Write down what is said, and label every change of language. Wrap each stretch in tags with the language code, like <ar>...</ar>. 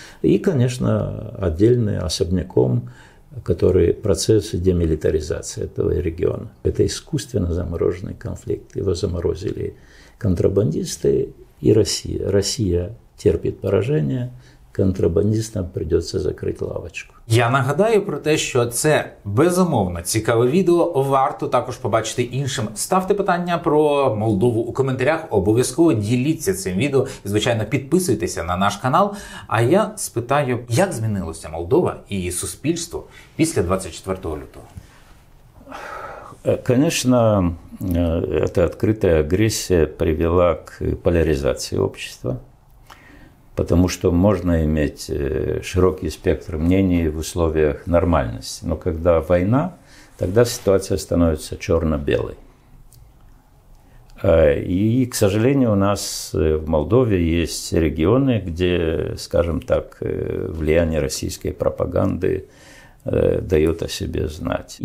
<ru>И, конечно, отдельно, особняком, который процесс демилитаризации этого региона. Это искусственно замороженный конфликт. Его заморозили контрабандисты и Россия. Россия терпит поражение, контрабандистам придется закрыть лавочку.</ru> <uk>Я нагадаю про те, що це безумовно цікаве відео, варто також побачити іншим. Ставте питання про Молдову у коментарях, обов'язково діліться цим відео, і, звичайно, підписуйтеся на наш канал. А я спитаю, як змінилося Молдова і її суспільство після 24 лютого? Звісно, ця відкрита агресія привела к поляризації общества.</uk> <ru>Потому что можно иметь широкий спектр мнений в условиях нормальности. Но когда война, тогда ситуация становится черно-белой. И, к сожалению, у нас в Молдове есть регионы, где, скажем так, влияние российской пропаганды дает о себе знать.</ru>